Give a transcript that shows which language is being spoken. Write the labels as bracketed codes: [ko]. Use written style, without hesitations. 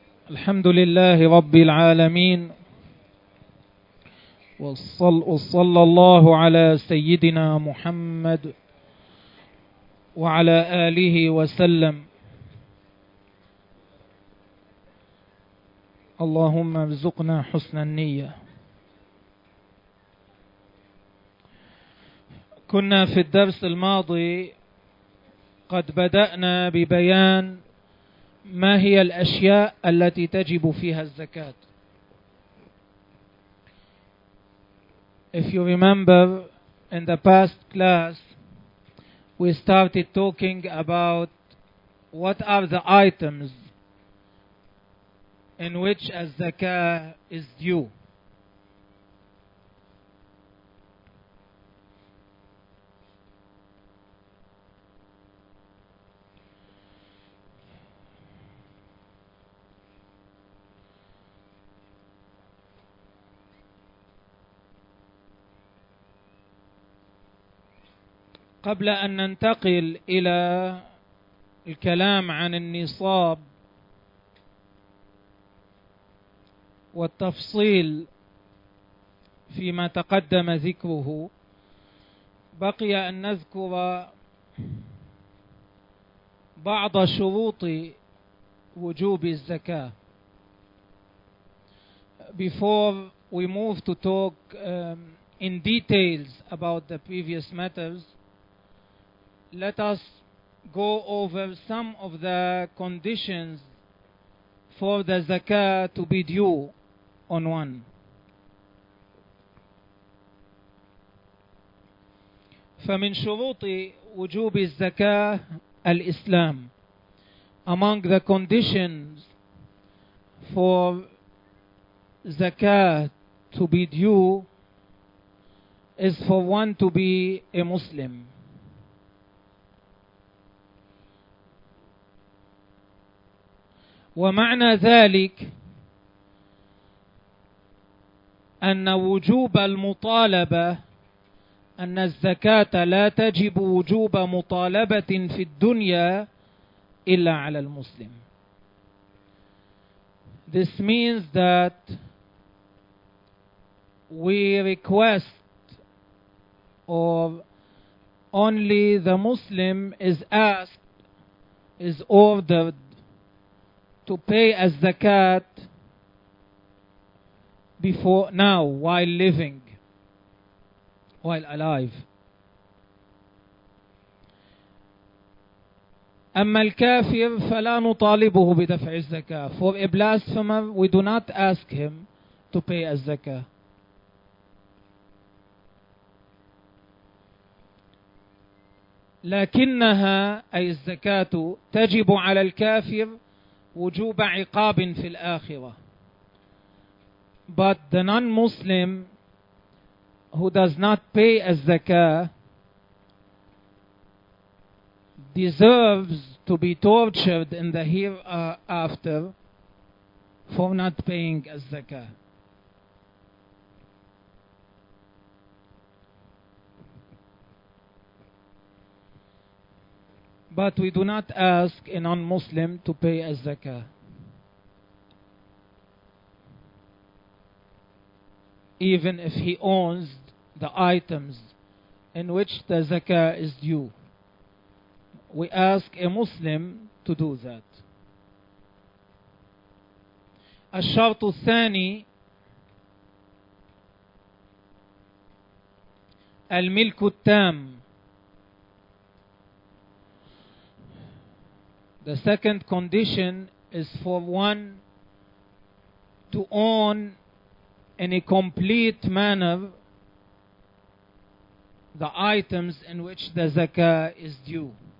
[ar] الحمد لله رب العالمين وصلى الله على سيدنا محمد وعلى آله وسلم اللهم ارزقنا حسن النية. كنا في الدرس الماضي قد بدأنا ببيان ما هي الأشياء التي تجب فيها الزكاة. [en] If you remember, in the past class we started talking about what are the items in which a zakah is due. [ar] قبل أن ننتقل إلى الكلام عن النصاب والتفصيل فيما تقدم ذكره، بقي أن نذكر بعض شروط وجوب الزكاة. [en] Before we move to talk in details about the previous matters, let us go over some of the conditions for the zakah to be due on one. [ar] فمن شروط وجوب الزكاة الإسلام. [en] Among the conditions for zakah to be due is for one to be a Muslim. [ar] ومعنى ذلك أن وجوب المطالبة، أن الزكاة لا تجب وجوب مطالبة في الدنيا إلا على المسلم. [en] This means that we request or only the Muslim is asked, is ordered to pay a zakat before now, while living, while alive. [ar] أما الكافر فلا نطالبه بدفع الزكاة. [en] For a blasphemer, we do not ask him to pay a zakat. [ar] لكنها أي الزكاة تجب على الكافر وجوب عقاب في الآخرة. [en] But the non-Muslim who does not pay a zakah deserves to be tortured in the hereafter for not paying a zakah. But we do not ask a non-Muslim to pay a zakah. Even if he owns the items in which the zakah is due, we ask a Muslim to do that. [ar] الشرط الثاني الملك التام. [en] The second condition is for one to own in a complete manner the items in which the zakah is due.